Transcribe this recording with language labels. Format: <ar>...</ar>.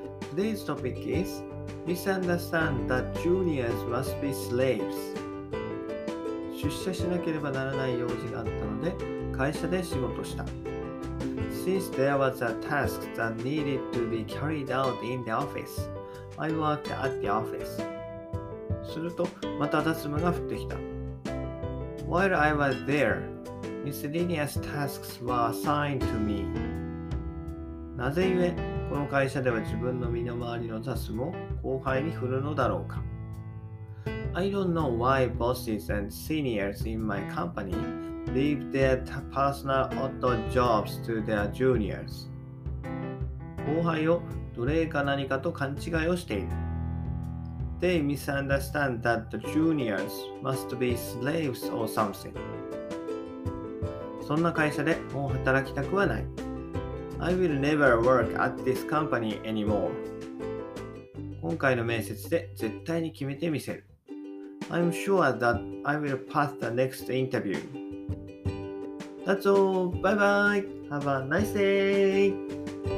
<en>Today's topic is misunderstand that juniors must be slaves.</en> <ja>出社しなければならない用事があったので会社で仕事した。</ja> <en>Since there was a task that needed to be carried out in the office, I worked at the office.</en> <ja>するとまた雑務が降ってきた。</ja> <en>While I was there,Miscellaneous tasks were assigned to me.</en> <ja>なぜゆえこの会社では自分の身の回りの雑務を後輩に振るのだろうか。</ja> <en>I don't know why bosses and seniors in my company leave their personal odd jobs to their juniors.</en> <ja>後輩を奴隷か何かと勘違いをしている。</ja> <en>They misunderstand that the juniors must be slaves or something.</en> <ja>そんな会社でもう働きたくはない。</ja> <en>I will never work at this company anymore.</en> <ja>今回の面接で絶対に決めてみせる。</ja> <en>I'm sure that I will pass the next interview. That's all. Bye bye. Have a nice day.</en>